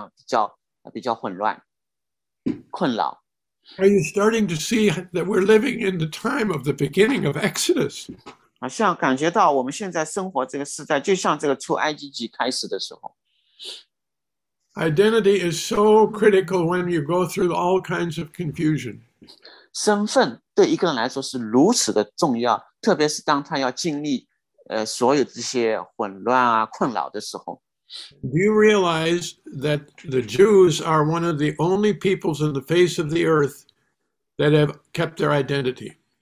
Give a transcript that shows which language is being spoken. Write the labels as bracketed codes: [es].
[zh] 你知道，在我们现在这个社会，甚至都要让孩子对他们这个性别感到好像比较混乱、困扰。 [en] Are you starting to see that we're living in the time of the beginning of Exodus? [zh] 好像感觉到我们现在生活这个时代，就像这个出埃及记开始的时候。 [en] Identity is so critical when you go through all kinds of confusion. [zh] 身份对一个人来说是如此的重要，特别是当他要经历，所有这些混乱啊、困扰的时候。 [en] Do you realize that the Jews are one of the only peoples on the face of the earth that have kept their identity?